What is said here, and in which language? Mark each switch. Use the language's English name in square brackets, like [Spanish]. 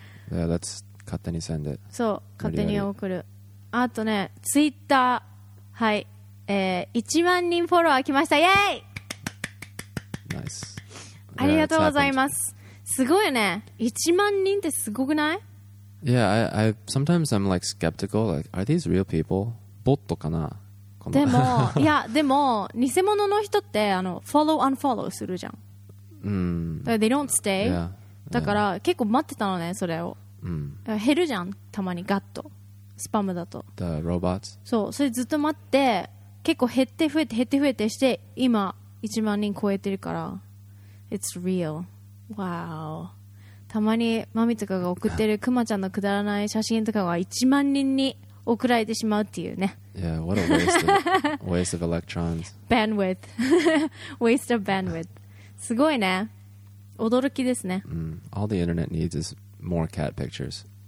[English] yeah, let's [Japanese] 勝手に [English] send it. [Japanese] そう勝手に送る。あとねツイッターはい、1万人フォロワー来ました、イエーイ、ナイス、ありがとうございます。すごいよね1万人ってすごくない？ [English] Yeah, I sometimes I'm like skeptical, like are these real people? [Japanese] ボットかな、このでもいやでも偽物の人ってフォローアンフォローするじゃん、うん、 [English] they don't stay、 yeah. [Japanese] だから結構待ってたのねそれを、うん、減るじゃんたまにガッとスパムだと [English] The robots? [Japanese] そうそれずっと待って結構減って増えて減って増えてして今1万人超えてるから [English] It's real Wow [Japanese] たまにマミとかが送ってるクマちゃんのくだらない写真とかは1万人に送られてしまうっていうね [English] Yeah, what a waste of, waste of electrons Bandwidth Waste of bandwidth [Japanese] すごいね驚きですね。 Mm. [English] All the internet needs is more cat pictures.